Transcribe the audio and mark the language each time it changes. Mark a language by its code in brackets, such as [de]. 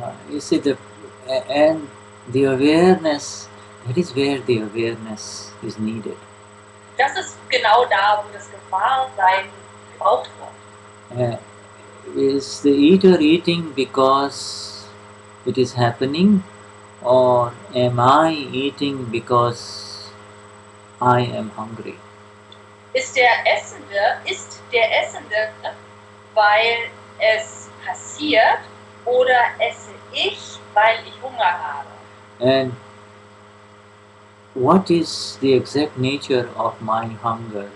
[en] You see, and the awareness, that is where the awareness is needed. [de] Das ist genau da, wo das Gewahrsein gebraucht wird. [en] Is the eater eating because it is happening? Or am I eating because I am hungry? [de] Ist der Essende, weil es passiert, oder esse ich, weil ich Hunger habe? [en] And what is the exact nature of my hunger?